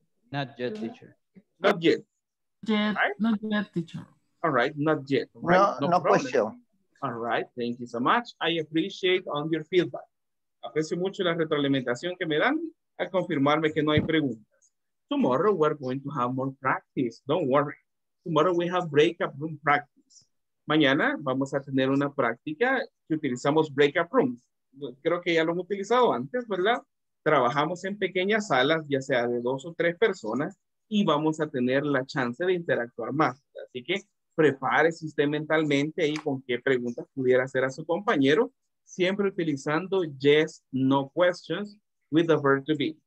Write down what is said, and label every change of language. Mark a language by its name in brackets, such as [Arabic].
[English] Not yet, teacher. Not yet. Not yet, teacher. No question. All right, thank you so much. I appreciate on your feedback. [Spanish] Aprecio mucho la retroalimentación que me dan al confirmarme que no hay preguntas. [English] Tomorrow, we're going to have more practice. Don't worry. Tomorrow, we have breakout room practice. [Spanish] mañana vamos a tener una práctica que utilizamos breakout rooms. Creo que ya lo hemos utilizado antes, ¿verdad? Trabajamos en pequeñas salas, ya sea de 2 o 3 personas, y vamos a tener la chance de interactuar más. Así que prepárese usted mentalmente ahí con qué preguntas pudiera hacer a su compañero, siempre utilizando [English] yes, no questions with the verb to be.